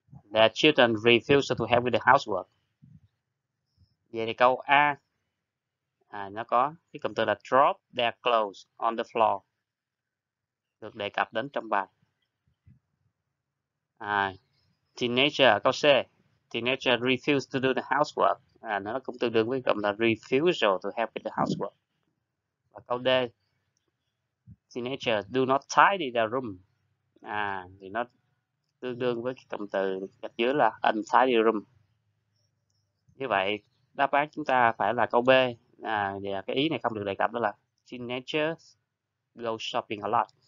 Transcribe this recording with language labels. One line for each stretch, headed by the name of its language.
English: Their children refuse to help with the housework.
Vietnamese: Vậy thì câu A, nó có cái cụm từ là
English: drop their clothes on the floor,
Vietnamese: được đề cập đến trong bài.
English: Teenager,
Vietnamese: câu C,
English: teenager refuse to do the housework.
Vietnamese: Nó cũng tương đương với cụm là
English: refusal to help with the housework.
Vietnamese: Và câu D,
English: teenager do not tidy their room.
Vietnamese: Thì nó tương đương với cái cụm từ gạch dưới là
English: untidy room.
Vietnamese: Như vậy đáp án chúng ta phải là câu B, và cái ý này không được đề cập, đó là
English: teenagers go shopping a lot.